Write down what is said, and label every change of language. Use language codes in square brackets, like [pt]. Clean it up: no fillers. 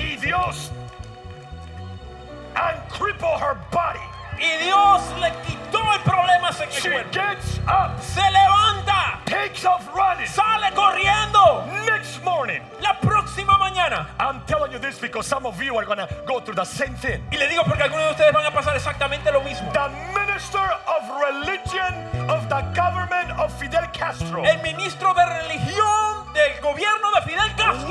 [es] Y Dios, [en] and crippled her body. [es] Y Dios le quitó el problema a ese cuerpo. [en] She gets up. [es] Se levanta. [en] Takes off running. [es] Sale corriendo. [en] Next morning. [es] La próxima mañana. [en] I'm telling you this because some of you are going to go through the same thing. [es] Y le digo porque algunos de ustedes van a pasar exactamente lo mismo. [en] The minister of religion of the government of Fidel Castro. [es] El ministro de religión del gobierno de Fidel Castro.